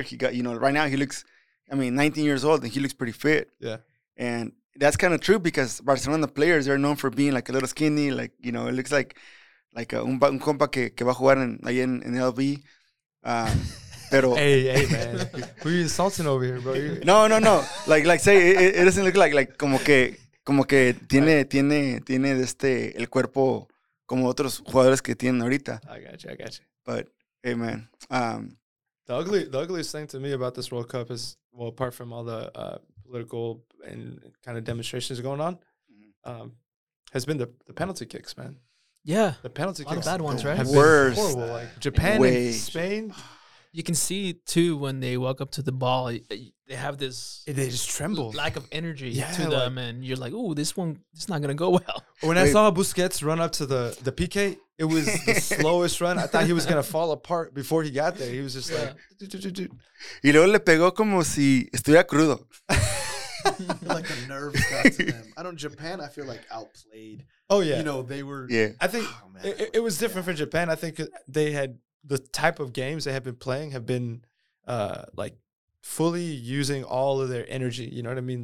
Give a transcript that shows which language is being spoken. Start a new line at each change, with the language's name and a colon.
English: He got, you know, right now he looks, I mean, 19 years old and he looks pretty fit. Yeah. And that's kind of true because Barcelona players are known for being like a little skinny. Like, you know, it looks like a
Spanish: un compa que va a jugar en LV. Pero,
English: hey man, who are you insulting over here, bro? No. Like say it doesn't look like
Spanish: como que tiene este el cuerpo como otros jugadores que tienen ahorita.
English: I got you. But hey man, the ugliest thing to me about this World Cup is, well, apart from all the political and kind of demonstrations going on, has been the penalty kicks, man. Yeah, the penalty kicks, bad ones, right? Have worse, been horrible. Like Japan and Spain. You can see too when they walk up to the ball, they have this. They just tremble. Lack of energy to them, like, and you're like, "Oh, this one, it's not gonna go well." When I saw Busquets run up to the PK, it was the slowest run. I thought he was gonna fall apart before he got there. He was just like,
Spanish: "Y luego le pegó como si estuviera crudo."
English: Like the nerves got to them. I don't. Japan, I feel like outplayed. Oh yeah, you know they were. Yeah, I think it was different for Japan. I think they had. The type of games they have been playing have been like fully using all of their energy. You know what I mean?